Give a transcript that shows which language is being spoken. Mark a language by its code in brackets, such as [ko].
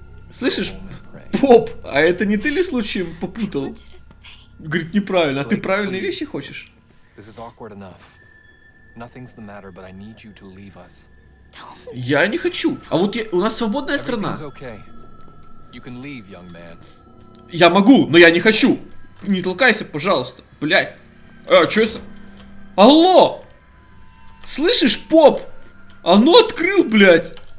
[ru] Слышишь, поп, а это не ты ли случаем попутал? Говорит, неправильно, а ты правильные вещи хочешь? [en] This is awkward enough. Nothing's the matter, but I need you to leave us. [ru] Я не хочу. А вот я, у нас свободная страна. [en] You can leave, young man. [ru] Я могу, но я не хочу. Не толкайся, пожалуйста. Блять. Че это? Алло! Слышишь, поп? Оно открыл, блять.